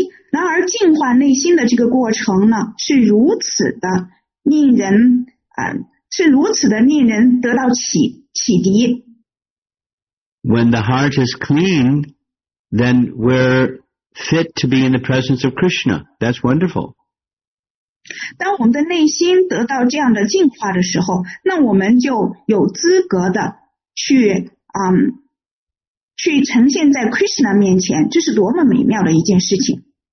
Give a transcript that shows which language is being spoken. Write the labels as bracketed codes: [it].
[zh] 然而净化内心的这个过程呢，是如此的令人是如此的令人得到启迪。 [en] When the heart is clean, then we're fit to be in the presence of Krishna. That's wonderful. [zh] 当我们的内心得到这样的净化的时候，那我们就有资格的去呈现在 Krishna 面前，这是多么美妙的一件事情。